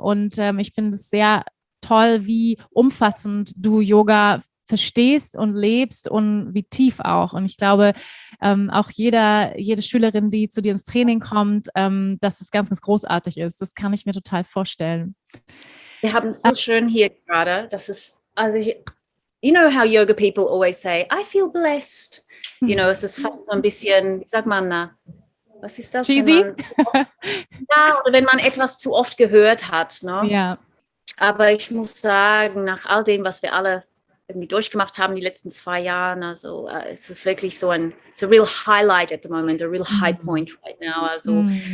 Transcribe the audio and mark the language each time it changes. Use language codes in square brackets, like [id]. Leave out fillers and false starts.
[de] Und ich finde es sehr toll, wie umfassend du Yoga verstehst und lebst und wie tief auch. Und ich glaube, auch jede Schülerin, die zu dir ins Training kommt, dass es ganz, ganz großartig ist. Das kann ich mir total vorstellen. Wir haben es so schön hier gerade. Das ist, also, [en] you know how yoga people always say, I feel blessed. You know, [de] es ist fast so ein bisschen, sag mal, na, was ist das? [en] Cheesy? [de] Ja, oder wenn man etwas zu oft gehört hat. No? Ja. Aber ich muss sagen, nach all dem, was wir alle irgendwie durchgemacht haben die letzten zwei Jahre. Also es ist wirklich so ein, [en] it's a real highlight at the moment, a real high point right now. Also